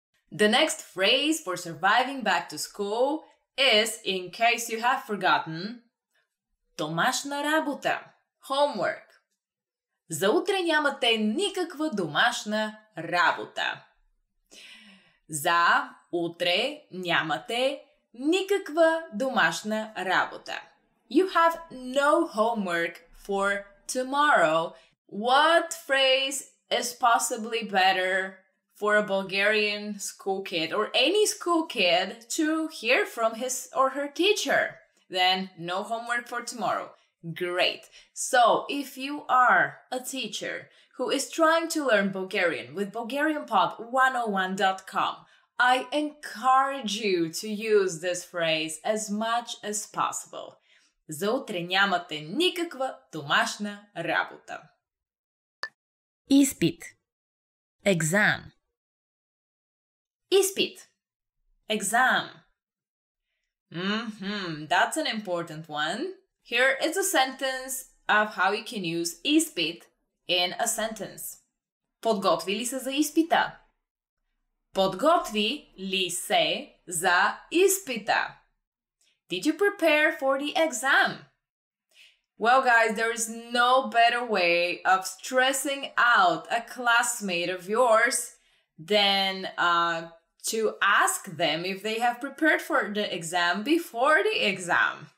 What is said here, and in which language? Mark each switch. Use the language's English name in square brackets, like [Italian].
[English] The next phrase for surviving back to school is, in case you have forgotten, [Bulgarian] домашна работа. [English] Homework. [Bulgarian] За утре нямате никаква домашна работа. За утре нямате никаква домашна работа. [English] You have no homework for tomorrow. What phrase is possibly better for a Bulgarian school kid or any school kid to hear from his or her teacher? Then, no homework for tomorrow. Great. So, if you are a teacher who is trying to learn Bulgarian with BulgarianPod101.com, I encourage you to use this phrase as much as possible. [Bulgarian] За утре нямате никаква домашна работа. [English] Изпит. Exam. Изпит. Exam. Mm-hmm, that's an important one. Here is a sentence of how you can use изпит in a sentence. [Bulgarian] Подготви ли се за изпита? Подготви ли се за изпита? [English] Did you prepare for the exam? Well, guys, there is no better way of stressing out a classmate of yours than to ask them if they have prepared for the exam before the exam.